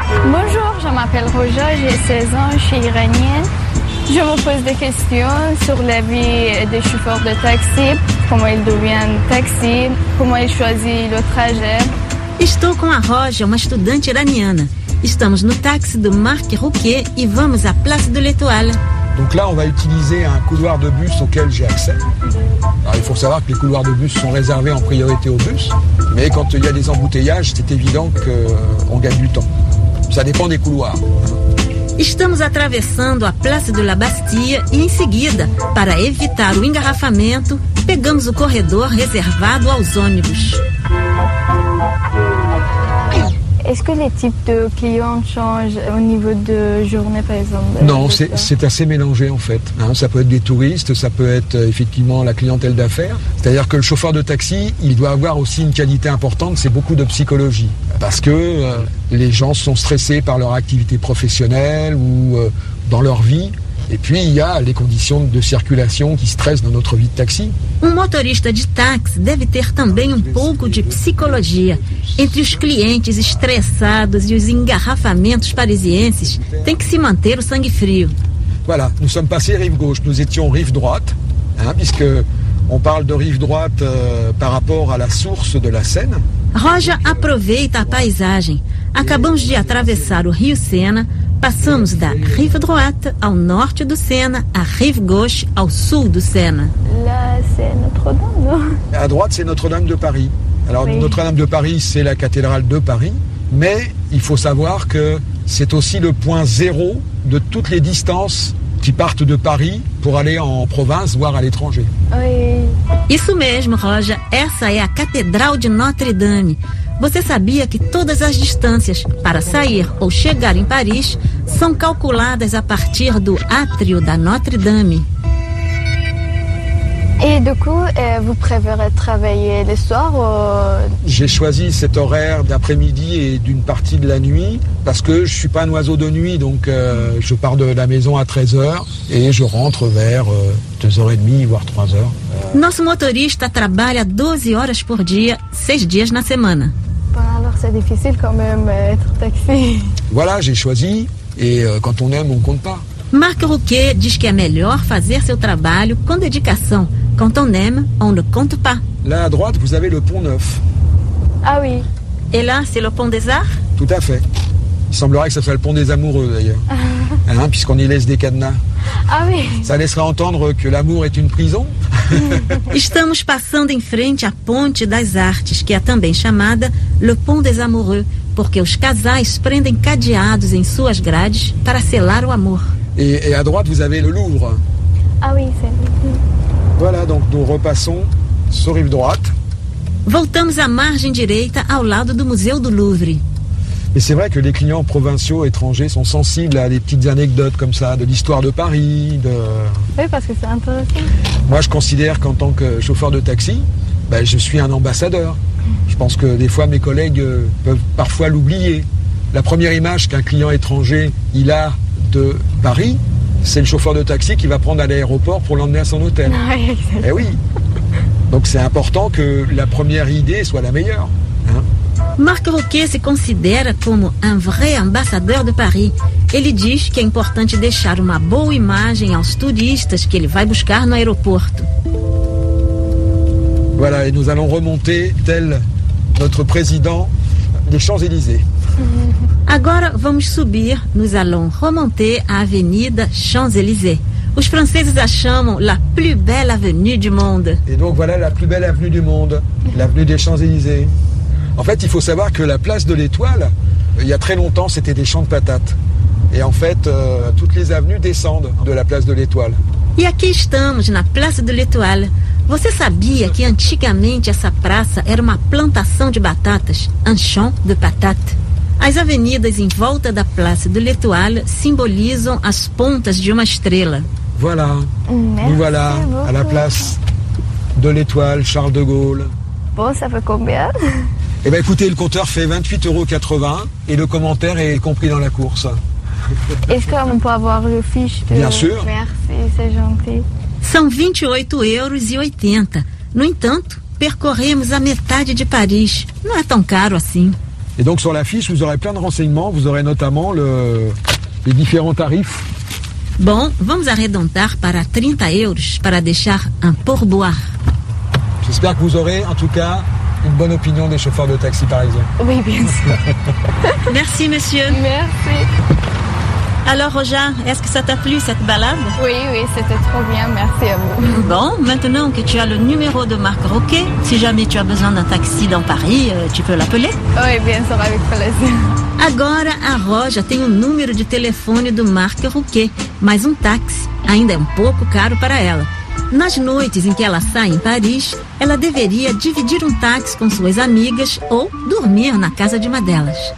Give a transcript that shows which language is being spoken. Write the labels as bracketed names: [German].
[French] Bonjour, je m'appelle Roger, j'ai 16 ans, je suis iranienne. Je me pose des questions sur la vie des chauffeurs de taxi, comment ils deviennent taxi, comment ils choisissent le trajet. [Portuguese] Estou com a Roja, uma estudante iraniana. Estamos no táxi do Marc Rouquier e vamos à Place de l'Étoile. [French] Donc là, on va utiliser un couloir de bus auquel j'ai accès. Alors, il faut savoir que les couloirs de bus sont réservés en priorité aux bus, mais quand il y a des embouteillages, c'est évident qu'on gagne du temps. Ça dépend des couloirs. [Portuguese] Estamos atravessando a Place de la Bastille e, em seguida, para evitar o engarrafamento, pegamos o corredor reservado aos ônibus. [French] Est-ce que les types de clients changent au niveau de journée, par exemple? Non, c'est assez mélangé, en fait. Ça peut être des touristes, ça peut être effectivement la clientèle d'affaires. C'est-à-dire que le chauffeur de taxi, il doit avoir aussi une qualité importante, c'est beaucoup de psychologie. Parce que les gens sont stressés par leur activité professionnelle ou dans leur vie. Et puis, il y a les conditions de circulation qui stressent dans notre vie de taxi. [Portuguese] Um motorista de táxi deve ter também um pouco de psicologia. Entre os clientes estressados e os engarrafamentos parisienses, tem que se manter o sangue frio. [French] Voilà, nous sommes passés rive gauche, nous étions rive droite, puisque on parle de rive droite par rapport à la source de la Seine. [Portuguese] Roja aproveita a paisagem. Acabamos de atravessar o Rio Sena. Passamos da Rive Droite ao norte do Sena, à Rive Gauche ao sul do Sena. [French] Là, c'est Notre-Dame, non? À droite, c'est Notre-Dame de Paris. Alors, oui. Notre-Dame de Paris, c'est la cathédrale de Paris. Mais il faut savoir que c'est aussi le point zéro de toutes les distances qui partent de Paris pour aller en province, voire à l'étranger. Oui. [Portuguese] Isso mesmo, Roger. Essa é a cathédrale de Notre-Dame. Você sabia que todas as distâncias para sair ou chegar em Paris são calculadas a partir do átrio da Notre-Dame? [French] E, du coup, vous préférez travailler le soir ou... J'ai choisi cet horaire d'après-midi et d'une partie de la nuit parce que je ne suis pas un oiseau de nuit, donc je pars de la maison à 13h et je rentre vers 2h30, voire 3h. [Portuguese] Nosso motorista trabalha 12 horas por dia, 6 dias na semana. [French] Alors, c'est difficile quand même être taxi. Voilà, j'ai choisi et quand on aime, on ne compte pas. [Portuguese] Marc Rouquier diz que é melhor fazer seu trabalho com dedicação. [French] Quand on aime, on ne compte pas. Là à droite, vous avez le pont neuf. Ah oui. Et là, c'est le pont des arts? Tout à fait. Il semblerait que ce soit le pont des amoureux, d'ailleurs. Puisqu'on y laisse des cadenas. Ah oui. Ça laisserait entendre que l'amour est une prison. [Portuguese] Estamos passando em frente à Ponte das Artes, que é também chamada Le Pont des Amoureux, porque os casais prendem cadeados em suas grades para selar o amor. [French] Et à droite, vous avez le Louvre. Ah oui, c'est le Louvre. Voilà, donc nous repassons sur rive droite. [Portuguese] Voltamos à margem direita, ao lado do Museu do Louvre. [French] Et c'est vrai que les clients provinciaux étrangers sont sensibles à des petites anecdotes comme ça, de l'histoire de Paris, de... Oui, parce que c'est intéressant. Moi, je considère qu'en tant que chauffeur de taxi, je suis un ambassadeur. Je pense que des fois, mes collègues peuvent parfois l'oublier. La première image qu'un client étranger, il a de Paris, c'est le chauffeur de taxi qui va prendre à l'aéroport pour l'emmener à son hôtel. Oui, eh oui. Donc c'est important que la première idée soit la meilleure. Marc Rouquier se considère comme un vrai ambassadeur de Paris. [Portuguese] Ele diz que é importante deixar uma boa imagem aos turistas que ele vai buscar no aeroporto. [French] Voilà, et nous allons remonter tel notre président des Champs-Élysées. [Portuguese] Agora vamos subir, [French] nous allons remonter à [Portuguese] Avenida Champs-Élysées. Os franceses a chamam [French] la plus belle avenue du monde. Et donc voilà la plus belle avenue du monde, l'avenue des Champs-Élysées. En fait, il faut savoir que la place de l'Étoile, il y a très longtemps, c'était des champs de patates. Et en fait, toutes les avenues descendent de la place de l'Étoile. [Portuguese] E aqui estamos na Place de l'Étoile. Você sabia que antigamente essa praça era uma plantação de batatas, [French] un champ de patate? [Portuguese] As avenidas em volta da Place de l'Étoile simbolizam as pontas de uma estrela. [French] Voilà. Merci. Nous voilà à la Place de l'Étoile, Charles de Gaulle. Bon, ça fait combien? Eh bien, écoutez, le compteur fait 28,80 € et le commentaire est compris dans la course. Est-ce qu'on peut avoir le fiche de... Bien sûr. Merci, c'est gentil. [Portuguese] São 28,80 €. No entanto, percorremos a metade de Paris. Não é tão caro assim. [French] E donc sur la fiche, vous aurez plein de renseignements, vous aurez notamment les différents tarifs. [Portuguese] Bom, vamos arredondar para 30 euros para deixar [French] un pourboire. J'espère que vous aurez en tout cas une bonne opinion des chauffeurs de taxi parisiens. Oui, bien sûr. Merci monsieur. Merci. Alors, Roja, est-ce que ça t'a plu, cette balade? Oui, oui, c'était trop bien, merci à vous. Bon, maintenant que tu as le numéro de Marc Roquet, si jamais tu as besoin d'un taxi dans Paris, tu peux l'appeler? Oui, bien sûr, avec plaisir. [Portuguese] Agora, a Roja tem o número de telefone do Marc Roquet, mas um táxi ainda é um pouco caro para ela. Nas noites em que ela sai em Paris, ela deveria dividir um táxi com suas amigas ou dormir na casa de uma delas.